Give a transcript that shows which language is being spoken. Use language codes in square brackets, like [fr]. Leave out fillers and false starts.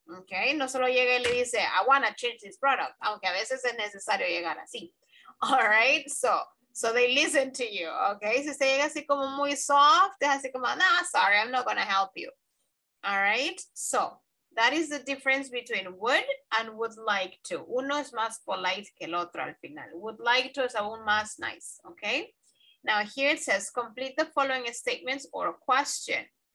[es] Okay, no solo llega y le dice, [en] I want to change this product, [es] aunque a veces es necesario llegar así. [en] All right, so they listen to you, okay? [es] Si usted llega así como muy soft, es así como, [en] no, sorry, I'm not going to help you. All right, so that is the difference between would and would like to. [es] Uno es más polite que el otro al final. Would like to es aún más nice, okay? [en] Now here it says, complete the following statements or question.